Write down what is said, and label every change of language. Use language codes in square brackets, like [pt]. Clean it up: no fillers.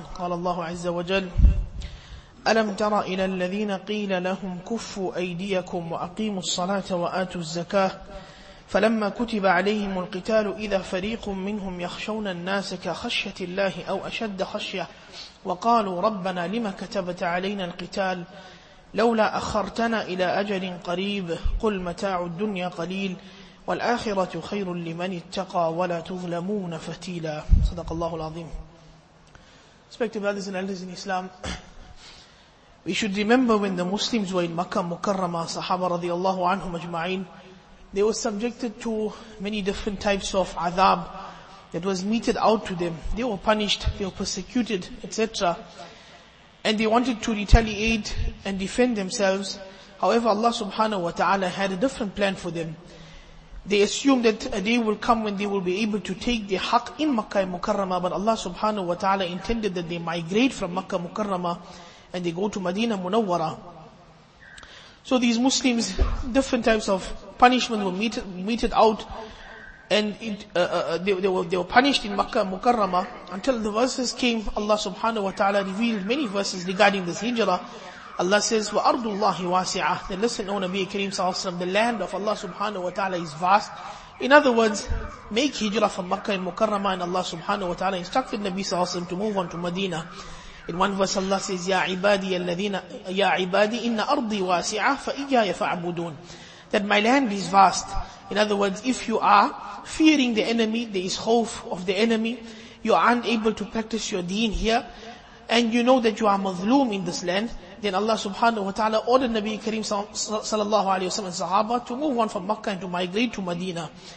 [ar] قال الله عز وجل: ألم تر إلى الذين قيل لهم كفوا أيديكم وأقيموا الصلاة وآتوا الزكاة فلما كتب عليهم القتال إذا فريق منهم يخشون الناس كخشية الله أو أشد خشية وقالوا ربنا لما كتبت علينا القتال لولا أخرتنا إلى أجل قريب قل متاع الدنيا قليل والآخرة خير لمن اتقى ولا تظلمون فتيلا. صدق الله العظيم. [en] Respected brothers and elders in Islam, we should remember when the Muslims were in Makkah Mukarrama, Sahaba radiallahu anhum ajma'in, they were subjected to many different types of azab that was meted out to them. They were punished, they were persecuted, etc. And they wanted to retaliate and defend themselves. However, Allah subhanahu wa ta'ala had a different plan for them. They assumed that a day will come when they will be able to take their haq in Makkah Mukarramah, but Allah subhanahu wa ta'ala intended that they migrate from Makkah Mukarramah and they go to Madinah Munawwara. So these Muslims, different types of punishment were meted out. And they were punished in Makkah Mukarramah until the verses came. Allah subhanahu wa ta'ala revealed many verses regarding this hijrah. Allah says, [ar] وَأَرْضُ اللَّهِ وَاسِعَةً. [en] Then listen, O Nabi Kareem sallallahu alayhi wa sallam, the land of Allah subhanahu wa ta'ala is vast. In other words, make hijrah from Makkah and Mukarramah, and Allah subhanahu wa ta'ala instructed Nabi sallallahu alayhi wa sallam to move on to Medina. In one verse Allah says, [ar] يَا عِبَادِي إِنَّ أَرْضِي وَاسِعَةً فَإِيَّايَ فَعْبُدُونَ. [en] That my land is vast. In other words, if you are fearing the enemy, there is khawf of the enemy, you are unable to practice your deen here, and you know that you are mazloom in this land, then Allah subhanahu wa ta'ala ordered Nabi Kareem sallallahu alayhi wa sallam and sahaba to move on from Makkah and to migrate to Medina.